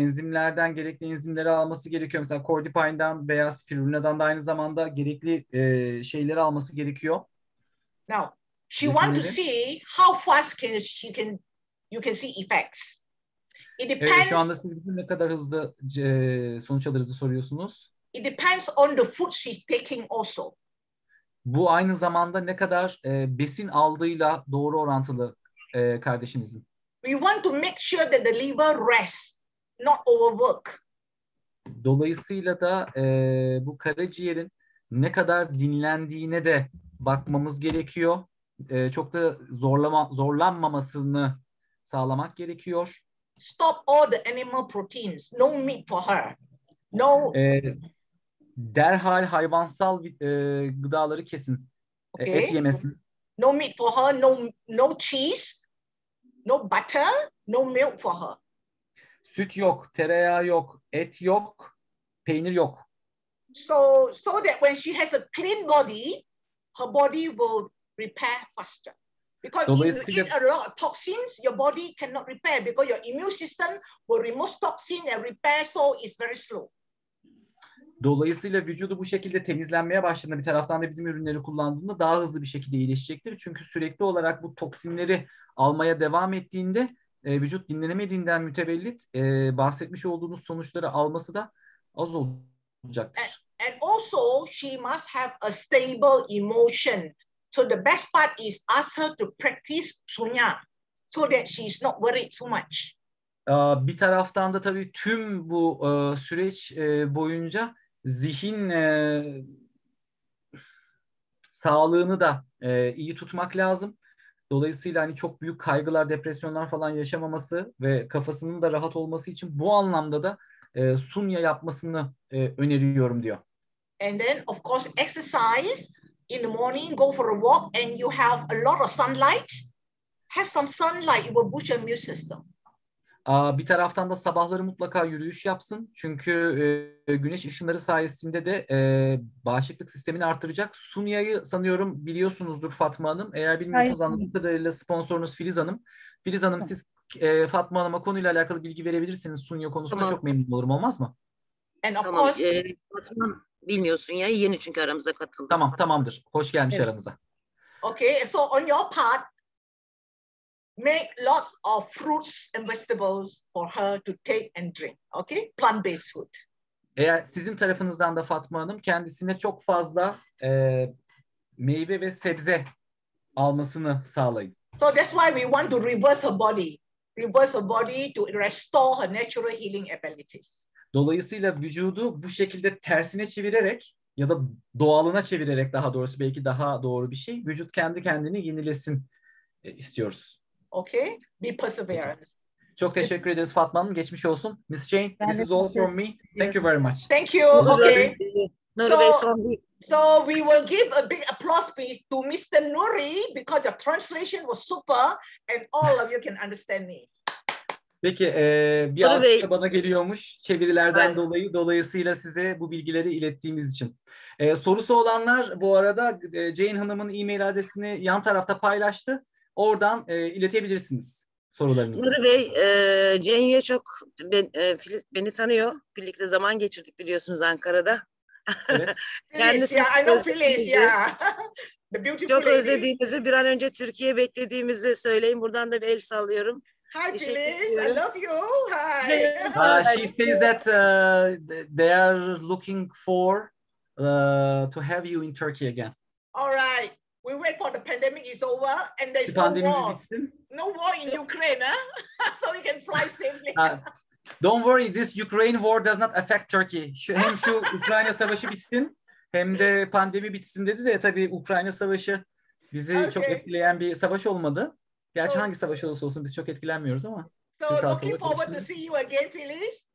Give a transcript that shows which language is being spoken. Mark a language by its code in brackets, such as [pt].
[tr] Enzimlerden gerekli enzimleri alması gerekiyor. Mesela Cordypine'dan, beyaz spirulina'dan da aynı zamanda gerekli şeyleri alması gerekiyor. [en] Now, she want to see how fast can she can you can see effects. It depends. [tr] Evet, şu anda siz ne kadar hızlı sonuç alırız soruyorsunuz. [en] It depends on the food she's taking also. [tr] Bu aynı zamanda ne kadar besin aldığıyla doğru orantılı kardeşinizin. [en] We want to make sure that the liver rests, not overwork. [tr] Dolayısıyla da bu karaciğerin ne kadar dinlendiğine de bakmamız gerekiyor. Çok da zorlanmamasını sağlamak gerekiyor. [en] Stop all the animal proteins. No meat for her. No. [tr] Derhal hayvansal gıdaları kesin. Okay. Et yemesin. [en] No meat for her. No cheese. No butter, no milk for her. [tr] Süt yok, tereyağı yok, et yok, peynir yok. [en] So that when she has a clean body, her body will repair faster. Because if you eat a lot of toxins, your body cannot repair because your immune system will remove toxin and repair, so it's very slow. [tr] Dolayısıyla vücudu bu şekilde temizlenmeye başladığında bir taraftan da bizim ürünleri kullandığında daha hızlı bir şekilde iyileşecektir. Çünkü sürekli olarak bu toksinleri almaya devam ettiğinde vücut dinlenemediğinden mütevellit bahsetmiş olduğunuz sonuçları alması da az olacaktır. [en] And also she must have a stable emotion. So the best part is ask her to practice sunya so that she is not worried too much. [tr] Bir taraftan da tabii tüm bu süreç boyunca zihin sağlığını da iyi tutmak lazım. Dolayısıyla hani çok büyük kaygılar, depresyonlar falan yaşamaması ve kafasının da rahat olması için bu anlamda da sunya yapmasını öneriyorum diyor. [en] And then of course exercise in the morning, go for a walk and you have a lot of sunlight. Have some sunlight, it will boost your immune system. [tr] Bir taraftan da sabahları mutlaka yürüyüş yapsın. Çünkü güneş ışınları sayesinde de bağışıklık sistemini artıracak. Sunya'yı sanıyorum biliyorsunuzdur Fatma Hanım. Eğer bilmiyorsanız anladığım kadarıyla sponsorunuz Filiz Hanım. Filiz Hanım siz Fatma Hanım'a konuyla alakalı bilgi verebilirsiniz. Sunya konusunda tamam. Çok memnun olurum, olmaz mı? Fatma Hanım bilmiyorsun ya, yeni çünkü aramıza katıldı. Tamam, tamamdır. Hoş gelmiş evet. Aramıza. [en] Okay, so on your part. Make lots of fruits and vegetables for her to take and drink. Okay, plant-based food. [tr] Eğer sizin tarafınızdan da Fatma Hanım kendisine çok fazla meyve ve sebze almasını sağlayın. [en] So that's why we want to reverse her body. Reverse her body to restore her natural healing abilities. [tr] Dolayısıyla vücudu bu şekilde tersine çevirerek ya da doğalına çevirerek, daha doğrusu belki daha doğru bir şey, vücut kendi kendini yenilesin istiyoruz. [en] Okay, be perseverance. [tr] Çok teşekkür ederiz Fatma Hanım. Geçmiş olsun. [en] Miss Jane, this is all from me. Thank you very much. Thank you. Okay. So we will give a big applause please to Mr. Nuri because your translation was super and all of you can understand me. [tr] Peki, bir alkışla bana geliyormuş çevirilerden dolayı. Dolayısıyla size bu bilgileri ilettiğimiz için. Sorusu olanlar bu arada Jane Hanım'ın e-mail adresini yan tarafta paylaştı. Oradan iletebilirsiniz sorularınızı. Nuri Bey, Jane'ye çok beni tanıyor. Birlikte zaman geçirdik biliyorsunuz Ankara'da. [en] Evet. Filiz, yeah, I know Filiz, yeah. [tr] Çok özlediğimizi, bir an önce Türkiye'ye beklediğimizi söyleyin. Buradan da bir el sallıyorum. [en] Hi Filiz, I love you. Hi. She says that they are looking for to have you in Turkey again. All right. We wait for the pandemic is over and there's no war. [tr] Bitsin. [en] No war in Ukraine, huh? So we can fly safely. Don't worry, this Ukraine war does not affect Turkey. [tr] Hem şu Ukrayna savaşı bitsin, hem de pandemi bitsin dedi de tabii Ukrayna savaşı bizi okay. Çok etkileyen bir savaş olmadı. Gerçi so, hangi savaş olursa olsun biz çok etkilenmiyoruz ama. [en] So looking forward to see you again, Filiz.